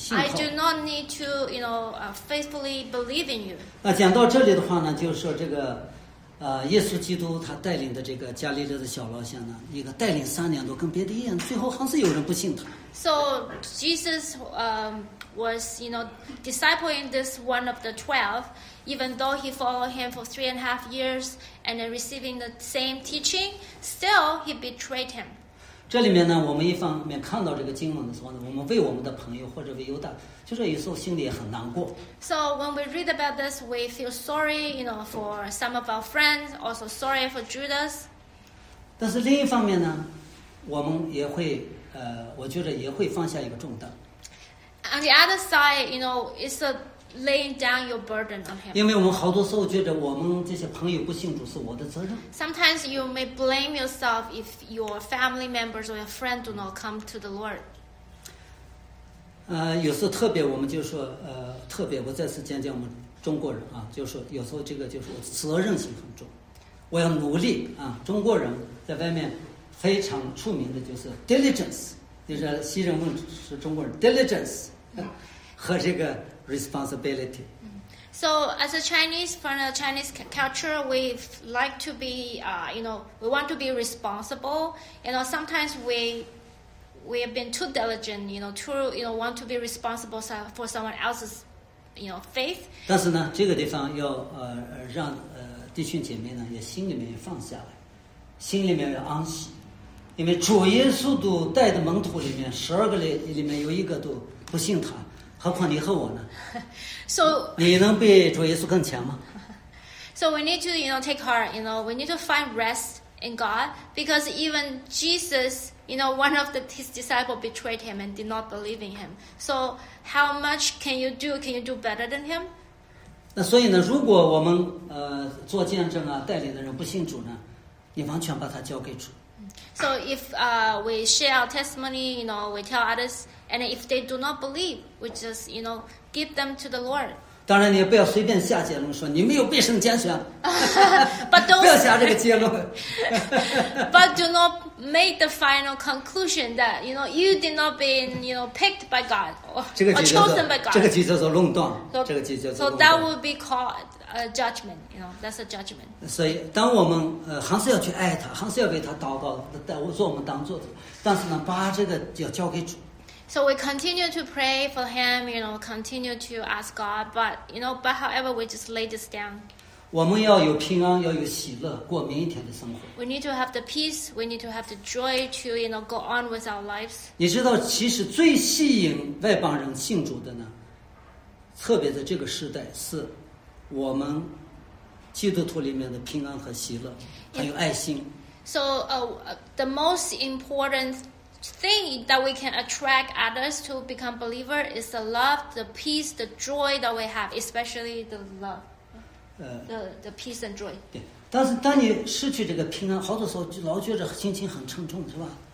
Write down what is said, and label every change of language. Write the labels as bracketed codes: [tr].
[en] I do not need to, you know, faithfully believe in you. [zh] 那讲到这里的话呢，就是说这个。耶稣基督他带领的这个加利利的小老乡呢，一个带领3年都跟别的一样，最后还是有人不信他。 [en] So Jesus was you know discipling this one of the 12, even though he followed him for 3.5 years and receiving the same teaching, still he betrayed him. [zh] 这里面呢，我们一方面看到这个经文的时候呢，我们为我们的朋友或者为犹大，就是有时候心里也很难过。 [en] So when we read about this, we feel sorry, you know, for some of our friends, also sorry for Judas. [zh] 但是另一方面呢，我们也会我觉得也会放下一个重担。 [en] On the other side, you know, it's a laying down your burden on him. [zh] 因为我们好多时候觉得我们这些朋友不信主是我的责任。 [en] Sometimes you may blame yourself if your family members or your friend do not come to the Lord. [zh] 有时候特别我们就说特别我再次讲讲我们中国人啊，就是有时候这个就是责任心很重，我要努力啊。中国人在外面非常出名的就是 diligence。就是西人问是中国人 diligence 和这个 responsibility。 [en] So as a Chinese, from a Chinese culture, we like to be, you know, we want to be responsible. You know, sometimes we have been too diligent, you know, too, you know, want to be responsible for someone else's, you know, faith. [zh] 但是呢，这个地方要让弟兄姐妹呢也心里面也放下来，心里面要安息。因为主耶稣都带的门徒里面十二个里面有一个都不信他，何况你和我呢？ [en] So, [zh] 你能比主耶稣更强吗？ [en] So we need to, you know, take heart, you know, we need to find rest in God, because even Jesus, you know, one of his disciples betrayed him and did not believe in him. So how much can you do? Can you do better than him? [zh] 那所以呢，如果我们做见证啊，带领的人不信主呢，你完全把他交给主。 [en] So if we share our testimony, you know, we tell others, and if they do not believe, we just, you know, give them to the Lord. [zh] 当然你不要随便下结论说你没有必胜拣选。 [en] But don't, [zh] 不要下这个结论。 [en] But do not make the final conclusion that, you know, you did not been, you know, picked by God or chosen by God. [zh] 这个就叫做论断。这个就叫做论断。 [en] So that would be called. Judgment, you know, that's a judgment. [zh] 所以当我们还是要去爱他，还是要为他祷告，做我们当做的，但是呢，把这个要交给主。 [en] So we continue to pray for him, you know, continue to ask God, but you know, but however, we just lay this down. [zh] 我们要有平安，要有喜乐，过每一天的生活。 [en] We need to have the peace. We need to have the joy to, you know, go on with our lives. [zh] 你知道，其实最吸引外邦人信主的呢，特别在这个时代是。我们基督徒里面的平安和喜乐，还有爱心。 [en] So, the most important thing that we can attract others to become believer is the love, the peace, the joy that we have, especially the love, the peace and joy. [zh] 对，但是当你失去这个平安，好多时候就老觉着心情很沉重，是吧？